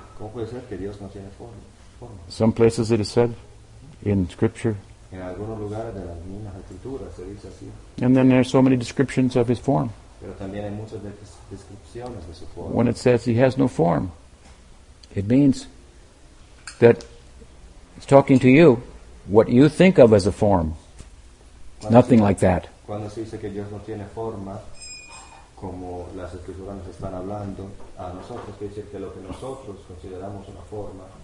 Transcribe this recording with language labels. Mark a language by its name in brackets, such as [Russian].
[Spanish] ¿Cómo puede ser que Dios no tiene forma? [English] Some places it is said in Scripture. [Spanish] En algunos lugares de las mismas escrituras se dice así. [English] And then there are so many descriptions of his form. [Spanish] Pero también hay muchas descripciones de su forma. [English] When it says he has no form, it means that it's talking to you, what you think of as a form. [Spanish] Cuando [English] nothing like that. [Spanish] Cuando se dice que Dios no tiene forma, como las escrituras nos están hablando, a nosotros quiere decir que lo que nosotros consideramos una forma,